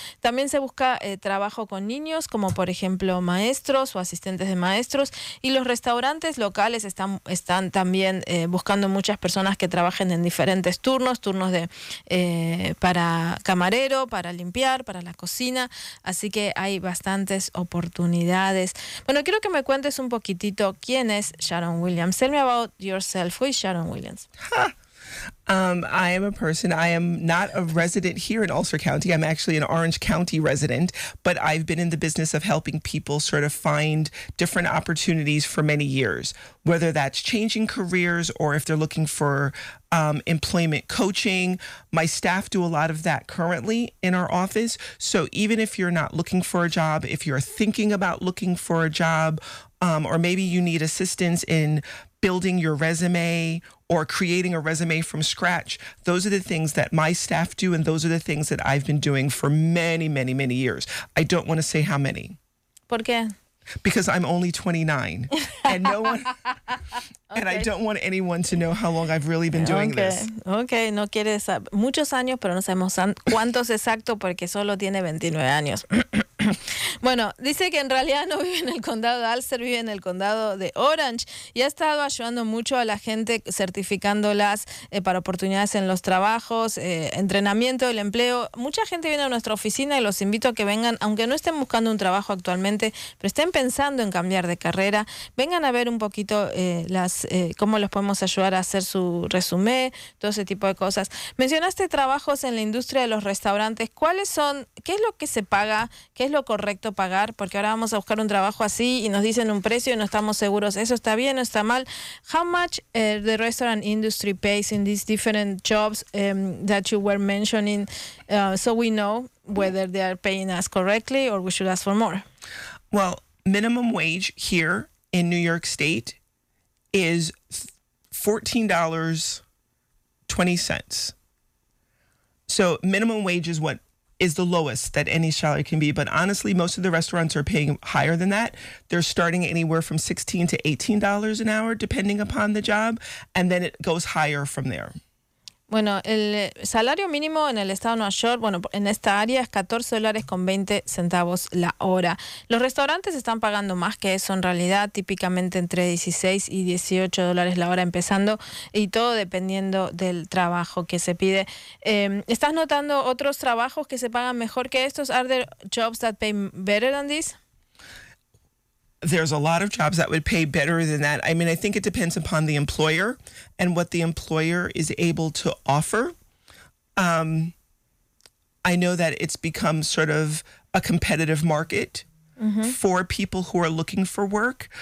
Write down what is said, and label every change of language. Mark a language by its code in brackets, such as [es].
[es] También se busca trabajo con niños, como por ejemplo maestros o asistentes de maestros, y los restaurantes locales están también buscando muchas personas que trabajen en diferentes turnos de para camarero, para limpiar, para la cocina, así que hay bastantes oportunidades. Bueno, quiero que me cuentes un poquitito quién es Sharon Williams. [en] Tell me about yourself. Who is Sharon Williams? I am a person. I am not a resident here in Ulster County. I'm actually an Orange County resident, but I've been in the business of helping people sort of find different opportunities for many years, whether that's changing careers or if they're looking for employment coaching. My staff do a lot of that currently in our office. So even if you're not looking for a job, if you're thinking about looking for a job, or maybe you need assistance in building your resume or creating a resume from scratch, those are the things that my staff do, and those are the things that I've been doing for many, many, many years. I don't want to say how many. [es] ¿Por qué? [en] Because I'm only 29, and no one, okay. And I don't want anyone to know how long I've really been doing okay. this. [es] Okay, no quiere saber muchos años, pero no sabemos cuántos exacto porque solo tiene 29 años. Bueno, dice que en realidad no vive en el condado de Ulster, vive en el condado de Orange y ha estado ayudando mucho a la gente certificándolas para oportunidades en los trabajos, entrenamiento, el empleo. Mucha gente viene a nuestra oficina y los invito a que vengan, aunque no estén buscando un trabajo actualmente, pero estén pensando en cambiar de carrera, vengan a ver un poquito cómo los podemos ayudar a hacer su resumen, todo ese tipo de cosas. Mencionaste trabajos en la industria de los restaurantes. ¿Cuáles son? ¿Qué es lo que se paga? ¿Qué es lo correcto pagar? Porque ahora vamos a buscar un trabajo así y nos dicen un precio y no estamos seguros. ¿Eso está bien o está mal? [en] How much the restaurant industry pays in these different jobs that you were mentioning so we know whether they are paying us correctly or we should ask for more? Well, minimum wage here in New York State is $14.20. So minimum wage is what is the lowest that any salary can be. But honestly, most of the restaurants are paying higher than that. They're starting anywhere from $16 to $18 an hour, depending upon the job. And then it goes higher from there. [es] Bueno, el salario mínimo en el estado de Nueva York, bueno, en esta área es $14.20 la hora. Los restaurantes están pagando más que eso en realidad, típicamente entre $16 y $18 la hora empezando, y todo dependiendo del trabajo que se pide. ¿Estás notando otros trabajos que se pagan mejor que estos? [en] Are there jobs that pay better than this? There's a lot of jobs that would pay better than that. I mean, I think it depends upon the employer and what the employer is able to offer. I know that it's become sort of a competitive market for people who are looking for work.